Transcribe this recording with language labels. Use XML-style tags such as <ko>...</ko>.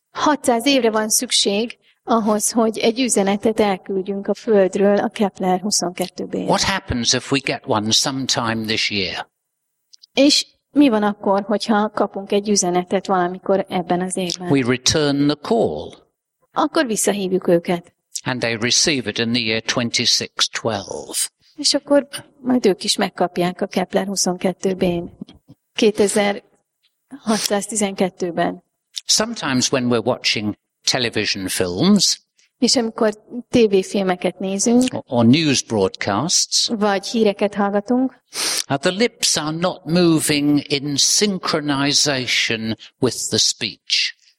<hu>600 évre van szükség ahhoz, hogy egy üzenetet elküldjünk a Földről a Kepler-22b-re.</hu> <en>What happens if we get one sometime this year?</en> <hu>És mi van akkor, hogyha kapunk egy üzenetet valamikor ebben az évben?</hu> <en>We return the call.</en> <hu>Akkor visszahívjuk őket.</hu> <en>And they receive it in the year 2612.</en> <hu>És akkor majd ők is megkapják a Kepler 22-ben, 2612-ben.</hu> <en>Sometimes when we're watching television films,</en> <hu>és amikor tévéfilmeket nézünk,</hu> <en>or news broadcasts,</en> <hu>vagy híreket hallgatunk,</hu> <en>the lips are not moving in synchronization with the speech.</en>